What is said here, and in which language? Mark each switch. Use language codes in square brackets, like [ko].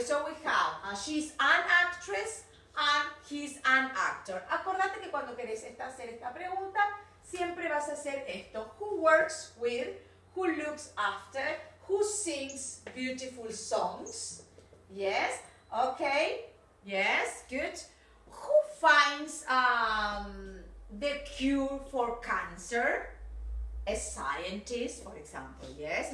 [en] So we have, she's an actress and he's an actor. [es] Acordate que cuando querés hacer esta pregunta, siempre vas a hacer esto. [en] Who works with, who looks after, who sings beautiful songs? Yes, okay, yes, good. Who finds, the cure for cancer, a scientist, for example, yes?